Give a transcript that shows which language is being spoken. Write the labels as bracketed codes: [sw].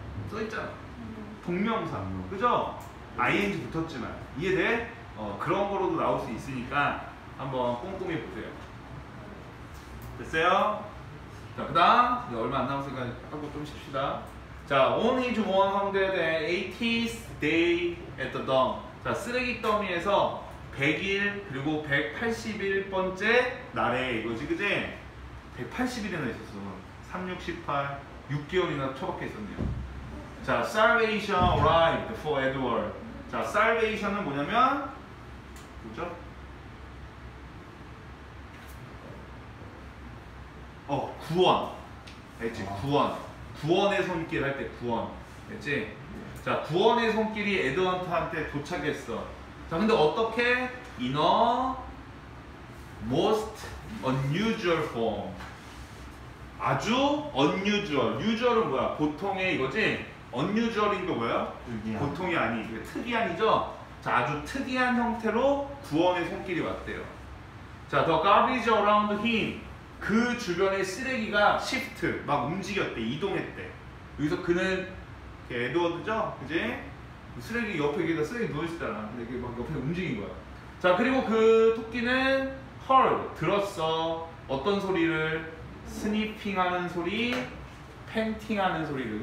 [ko] 써있잖아. 동명사. 그죠? ing 붙었지만. 이해돼? 그런 거로도 나올 수 있으니까. 한번 꼼꼼히 보세요. 됐어요? 자, 그 다음 얼마 안 남았으니까 하고 좀 쉽시다. [en] 자, only one hundred eighties day at the dump. [ko] 자, 쓰레기 더미에서 100일 그리고 181번째 날에 이거지, 그지? 180일이나 있었어. 368, 6개월이나 처박혀 있었네요. [en] 자, salvation arrived for Edward. [ko] 자, salvation은 뭐냐면 뭐죠? 구원. 알겠지? 아. 구원. 구원의 손길 할 때 구원. 알겠지? 자, 구원의 손길이 에드워드한테 도착했어. [en] 자, [ko] 근데 어떻게? [en] In a most unusual form. [ko] 아주 unusual. usual은 뭐야? 보통의 이거지? unusual인 게 뭐야? 특이한. 보통이 아니. 이게 특이한이죠? 자, 아주 특이한 형태로 구원의 손길이 왔대요. [en] 자, the garbage around him. [ko] 그 주변의 쓰레기가 시프트, 막 움직였대, 이동했대. 여기서 그는 에드워드죠? 그지? 쓰레기 옆에 게다 쓰레기 누워있었잖아. 근데 이게 막 옆에 움직인 거야. 자, 그리고 그 토끼는 heard, 들었어. 어떤 소리를? 스니핑 하는 소리, 팬팅 하는 소리를.